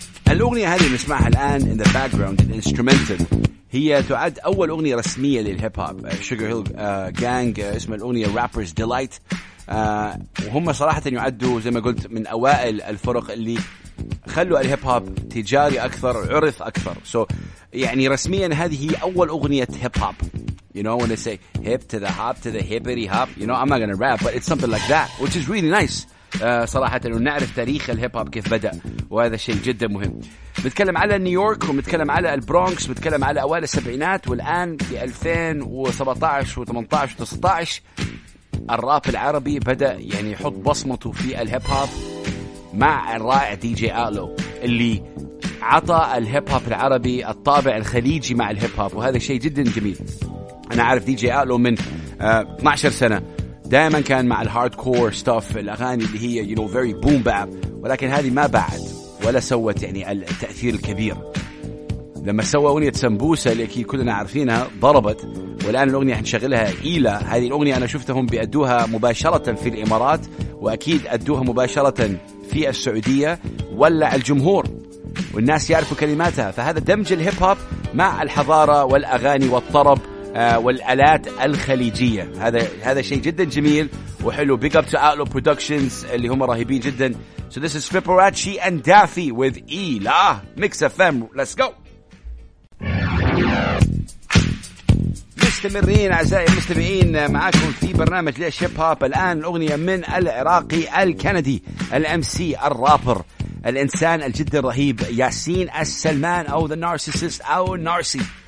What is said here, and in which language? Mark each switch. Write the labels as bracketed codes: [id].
[ar] الأغنية هذه نسمعها الآن [en] in the background and instrumental, [ar] هي تعد أول أغنية رسمية للهيب هوب Sugar Hill Gang, اسم الأغنية Rapper's Delight. وهم صراحة يعدوا زي ما قلت من أوائل الفرق اللي خلوا الهيب هوب تجاري أكثر, عرف أكثر. So يعني رسميا هذه هي أول أغنية هيب هوب. [en] You know when they say hip to the hop to the hippity hop, you know I'm not gonna rap but it's something like that, which is really nice. [ar] صراحة أنه نعرف تاريخ الهيب هوب كيف بدأ وهذا شيء جدا مهم. بتكلم على نيويورك ومتكلم على البرونكس, بتكلم على أوائل السبعينات والآن في 2017 و18 و19 الراب العربي بدأ يعني يحط بصمته في الهيب هوب مع الرائع دي جي آلو اللي عطى الهيب هوب العربي الطابع الخليجي مع الهيب هوب, وهذا شيء جدا جميل. أنا عارف دي جي آلو من 12 سنة, دائما كان مع الهارد كور ستاف الأغاني اللي هي [en] you know very boom bap, [ar] ولكن هذه ما بعد ولا سوت يعني التأثير الكبير. لما سوى أغنية سمبوسة اللي أكيد كلنا عارفينها ضربت, والآن الأغنية هنشغلها إيلا. هذه الأغنية أنا شفتهم بيأدوها مباشرة في الإمارات وأكيد أدوها مباشرة في السعودية ولع الجمهور والناس يعرفوا كلماتها. فهذا دمج الهيب هوب مع الحضارة والأغاني والطرب والآلات الخليجية, هذا شيء جدا جميل وحلو. [en] Big up to Outlaw Productions [ar] اللي هم رهيبين جدا. [en] So this is Fipperacci and Daffy with Ela Mix FM. Let's go. [ar] مستمرين أعزائي المستمعين معاكم في برنامج ليش هيب هوب. الآن الأغنية من العراقي الكندي الأمسي الرابر الإنسان الجد الرهيب ياسين السلمان أو The Narcissist أو النارسي.